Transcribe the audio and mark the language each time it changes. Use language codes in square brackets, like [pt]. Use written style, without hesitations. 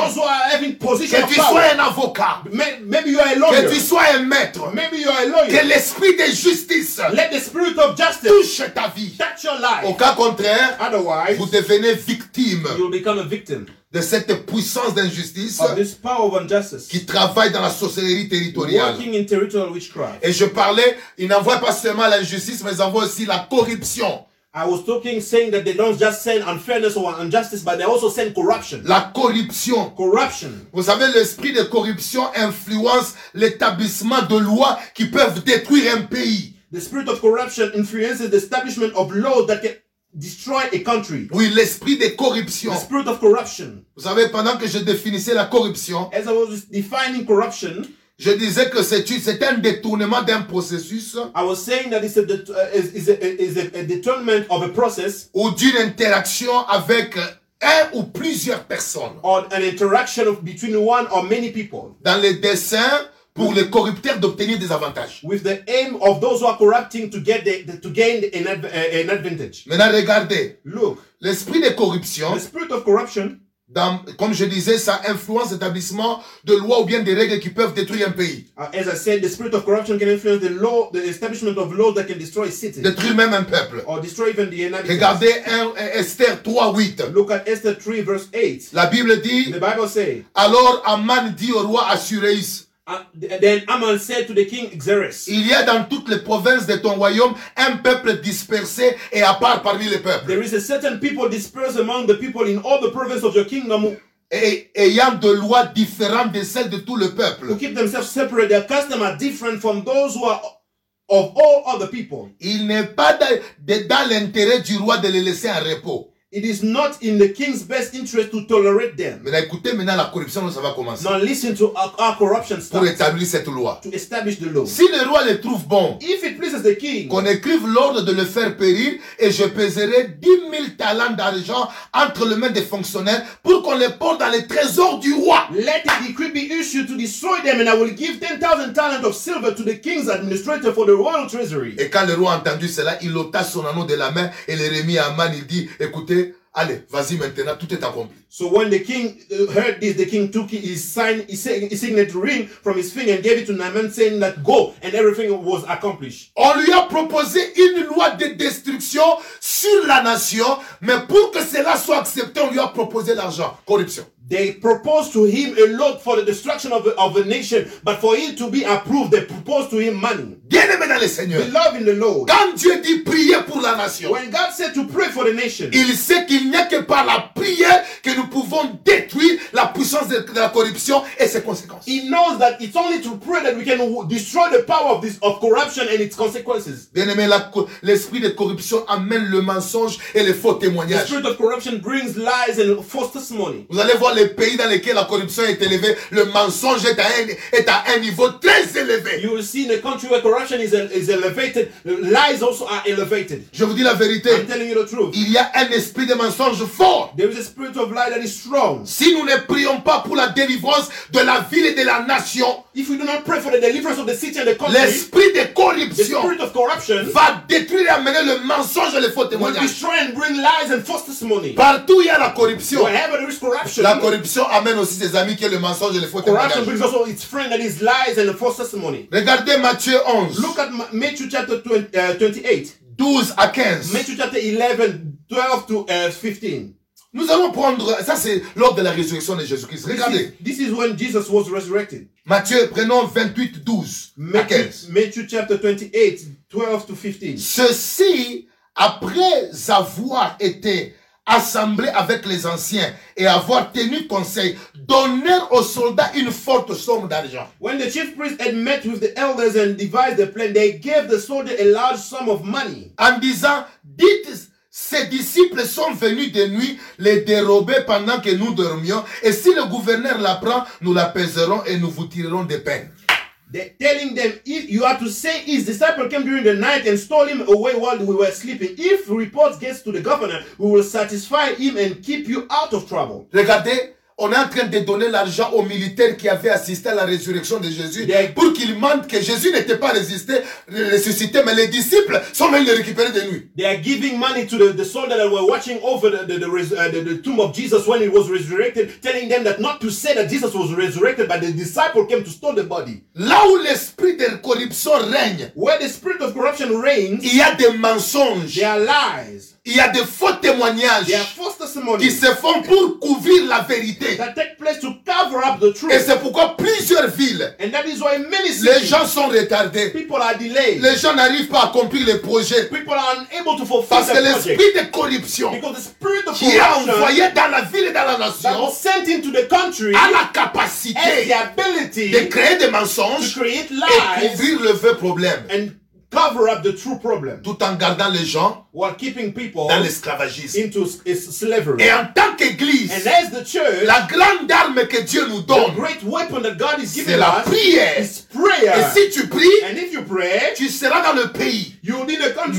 [en] Those who are having position. [fr] Que tu sois un avocat. [en] Maybe you are a lawyer. [fr] Que tu sois un maître. [en] Maybe you are a lawyer. [fr] Que l'esprit de justice. [en] Let the spirit of justice [fr] touche ta vie. [en] Touch your life. [fr] Au cas contraire, [en] otherwise, [fr] vous devenez victime. [en] You will become a victim. [fr] De cette puissance d'injustice [en] of this power of injustice, [fr] qui travaille dans la sorcellerie territoriale. [en] Working in territorial witchcraft. [fr] Et je parlais, ils n'envoient pas seulement l'injustice, mais ils envoient aussi la corruption. [en] I was talking, saying that they don't just send unfairness or injustice, but they also send corruption. [fr] La corruption. [en] Corruption. [fr] Vous savez, l'esprit de corruption influence l'établissement de lois qui peuvent détruire un pays. [en] The spirit of corruption influences the establishment of laws that can destroy a country. [fr] Oui, l'esprit de corruption. [en] The spirit of corruption. [fr] Vous savez, pendant que je définissais la corruption, [en] as I was defining corruption, [fr] je disais que c'est un détournement d'un processus. [en] I was saying that it's a detournement of a process. [fr] Ou d'une interaction avec un ou plusieurs personnes. [en] Or an interaction between one or many people. [fr] Dans les dessins. Pour les corrupteurs d'obtenir des avantages. [en] With the aim of those who are corrupting to get to gain an advantage. [fr] Maintenant regardez. [en] Look. [fr] L'esprit de corruption. [en] The spirit of corruption. [fr] Dans, comme je disais, ça influence l'établissement de lois ou bien des règles qui peuvent détruire un pays. [en] As I said, the spirit of corruption can influence the law, the establishment of laws that can destroy a city. [fr] Détruire même un peuple. [en] Or destroy even the inhabitants. [fr] Regardez Esther 3:8. [en] Look at Esther 3 verse 8. [fr] La Bible dit. [en] The Bible says. [fr] Alors Aman dit au roi Assuréis. [en] Then Amon said to the king Xerxes. [fr] Il y a dans toutes les provinces de ton royaume un peuple dispersé et à part parmi les peuples. [en] There is a certain people dispersed among the people in all the provinces of your kingdom. [fr] Et ayant de lois différentes de celles de tout le peuple. [en] Who keep themselves separate, their customs are different from those who are of all other people. [fr] Il n'est pas dans l'intérêt du roi de les laisser en repos. [en] It is not in the king's best interest to tolerate them. [fr] Mais écoutez maintenant la corruption, ça va commencer. [en] Now listen to our corruption starts. [fr] Pour établir cette loi. [en] To establish the law. [fr] Si le roi le trouve bon. [en] If it pleases the king. [fr] Qu'on écrive l'ordre de le faire périr et je pèserai 10,000 talents d'argent entre les mains des fonctionnaires pour qu'on les porte dans les trésors du roi. [en] Let the decree be issued to destroy them and I will give 10,000 talents of silver to the king's administrator for the royal treasury. [fr] Et quand le roi a entendu cela, il ôta son anneau de la main et le remit à Aman. Il dit, écoutez. Allez, vas-y maintenant, tout est accompli. [en] So when the king heard this, the king took his signet ring from his finger and gave it to Naaman, saying that go, and everything was accomplished. [fr] On lui a proposé une loi de destruction sur la nation, mais pour que cela soit accepté, on lui a proposé l'argent, corruption. [en] They proposed to him a law for the destruction of a nation, but for it to be approved, they proposed to him money. [fr] Bien-aimé dans le Seigneur. [en] Beloved in the Lord. [fr] Quand Dieu dit prier pour la nation. [en] When God said to pray for the nation. [fr] Il sait qu'il n'y a que par la prière que nous pouvons détruire la puissance de la corruption et ses conséquences. [en] He knows that it's only to pray that we can destroy the power of this of corruption and its consequences. [fr] Bien-aimé, l'esprit de corruption amène le mensonge et les faux témoignages. [en] The spirit of corruption brings lies and false testimony. [fr] Vous allez voir les pays dans lesquels la corruption est élevée, le mensonge est à un niveau très élevé. [en] You will see in a country where corruption is elevated, lies also are elevated. [fr] Je vous dis la vérité. [en] I'm telling you the truth. [fr] Il y a un esprit de mensonge fort. [en] There is a spirit of lie that is strong. [fr] Si nous ne prions pas pour la délivrance de la ville et de la nation, [en] if we do not pray for the deliverance of the city and the country, [fr] l'esprit de corruption, [en] the spirit of corruption, [fr] va détruire et amener le mensonge et les faux témoignages. [en] Will destroy and bring lies and false testimony. [fr] Partout il y a la corruption. [en] Wherever there is corruption. [fr] La corruption amène aussi ses amis qui est le mensonge et les faux témoignages. [en] Corruption brings also its friend that is lies and false testimony. [fr] Regardez Matthieu 11. [en] Look at Matthew chapter 28. [fr] 12 à 15. [en] Matthew chapter 11, 12 to 15. [fr] Nous allons prendre, ça c'est lors de la résurrection de Jésus-Christ. Regardez. [en] This is when Jesus was resurrected. [fr] Matthieu, prenons 28, 12 [en] Matthew, [fr] à 15. [en] Matthew chapter 28, 12 to 15. [fr] Ceci, après avoir été assemblés avec les anciens et avoir tenu conseil, donner aux soldats une forte somme d'argent. [en] When the chief priests had met with the elders and devised the plan, they gave the soldier a large sum of money. [fr] En disant, dites, ses disciples sont venus de nuit les dérober pendant que nous dormions, et si le gouverneur l'apprend, nous l'apaiserons et nous vous tirerons des peines. [en] telling them, if you are to say his disciple came during the night and stole him away while we were sleeping, if reports gets to the governor, we will satisfy him and keep you out of trouble. [fr] Regardez, on est en train de donner l'argent aux militaires qui avaient assisté à la résurrection de Jésus pour qu'ils mentent que Jésus n'était pas ressuscité, mais les disciples sont venus le récupérer de nuit. [en] They are giving money to the soldiers that were watching over the tomb of Jesus when he was resurrected, telling them that not to say that Jesus was resurrected, but the disciples came to steal the body. [fr] Là où l'esprit de corruption règne, [en] where the spirit of corruption reigns, [fr] il y a des mensonges, [en] there are lies. [fr] Il y a des faux témoignages qui se font pour couvrir la vérité. [en] That take place to cover up the truth. [fr] Et c'est pourquoi plusieurs villes, [en] and that is why many cities, [fr] les gens sont retardés. [en] People are delayed. [fr] Les gens n'arrivent pas à accomplir les projets. [en] People are unable to fulfill [fr] parce [en] the [fr] que l'esprit de corruption, [en] because the spirit of [fr] qui est envoyé dans la ville et dans la nation, [en] that was sent into the country, [fr] a la capacité, [en] has the ability, [fr] de créer des mensonges, [en] to create lies, [fr] et couvrir le vrai problème. [en] And cover up the true problem, [fr] tout en gardant les gens [en] while keeping people [fr] dans l'esclavagisme, [en] into slavery. [fr] Et en tant qu'église, [en] and as the church, [fr] la grande arme que Dieu nous donne, [en] the great weapon that God is giving, [fr] c'est la prière. [en] Is prayer. [fr] Et si tu pries, [en] and if you pray, [fr] tu seras dans le pays, [en] you will be in the country,